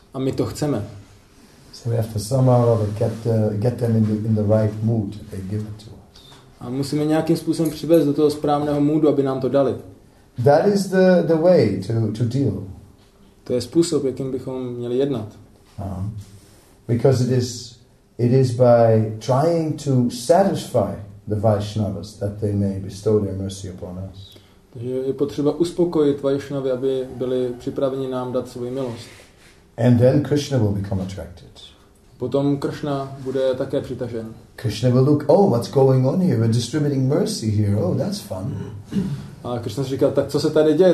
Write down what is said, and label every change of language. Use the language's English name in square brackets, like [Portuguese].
[Czech] A my to chceme. [English] So we have to somehow or other get them in the right mood. They give it to us. [Czech] A musíme nějakým způsobem přivést do toho správného můdu, aby nám to dali. [English] That is the way to deal. [Czech] To je způsob, jakým bychom měli jednat. [English] Because it is by trying to satisfy the Vaishnavas that they may bestow their mercy upon us. [Czech] Takže je potřeba uspokojit Vaishnavy, aby byli připraveni nám dát svou milost. [English] And then Krishna will become attracted. [Czech] Potom Krishna bude také přitažen. [English] Krishna will look, oh, what's going on here? We're distributing mercy here. Oh, that's fun. [Czech] A Krishna říká, tak co se tady děje?